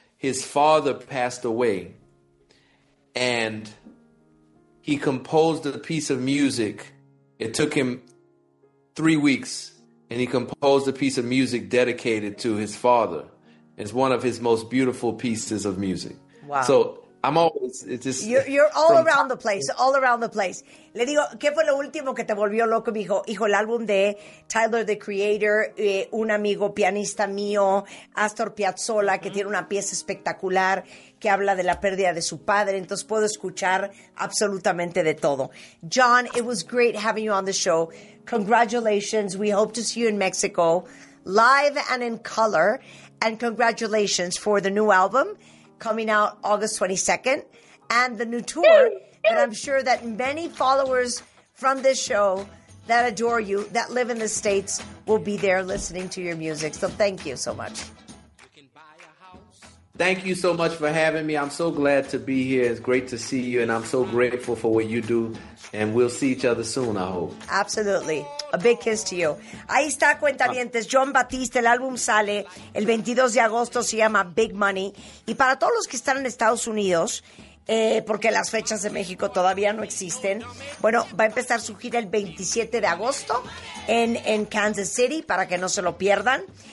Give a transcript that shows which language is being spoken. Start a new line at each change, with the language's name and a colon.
English: His father passed away, and he composed a piece of music. It took him 3 weeks, and he composed a piece of music dedicated to his father. It's one of his most beautiful pieces of music. Wow. So I'm always... It's just, you're all around the place, all around the place.
Spanish: Le digo, ¿qué fue lo último que te volvió loco? Me dijo, hijo, el álbum de Tyler, the Creator, un amigo pianista mío, Astor Piazzolla, mm-hmm. que tiene una pieza espectacular que habla de la pérdida de su padre. Entonces puedo escuchar absolutamente de todo.
English: John, it was great having you on the show. Congratulations. We hope to see you in Mexico, live and in color. And congratulations for the new album coming out August 22nd and the new tour. And I'm sure that many followers from this show that adore you, that live in the States, will be there listening to your music. So thank you so much. Thank you so much for having me. I'm so glad to be here. It's great to see you. And I'm so grateful for what you do. And we'll see each other soon, I hope. Absolutely. A big kiss to you.
Spanish: Ahí está, cuentavientes. John Batiste, el álbum sale el 22 de agosto. Se llama Big Money. Y para todos los que están en Estados Unidos, porque las fechas de México todavía no existen, bueno, va a empezar su gira el 27 de agosto en Kansas City, para que no se lo pierdan.